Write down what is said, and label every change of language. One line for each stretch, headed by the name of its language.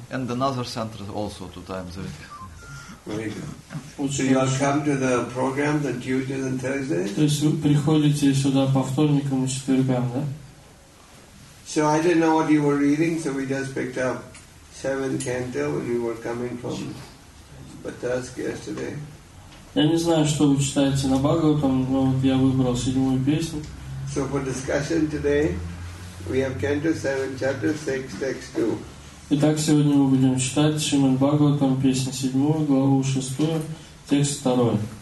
English: And another center also two times a week. So you all come to the program on Tuesdays and Thursdays?
Russian: То есть вы приходите сюда по вторникам и четвергам, да?
English: So I didn't know what you were reading, so we just picked up seventh canto when we were coming from Batask yesterday.
Russian: Я не знаю, что вы читаете на Бхагаватам, но вот я выбрал седьмую песню.
English: So for discussion today, we have canto 7, chapter 6, text 2.
Russian: Итак, сегодня мы будем читать Шримад Бхагаватам, песня 7, главу 6, текст 2.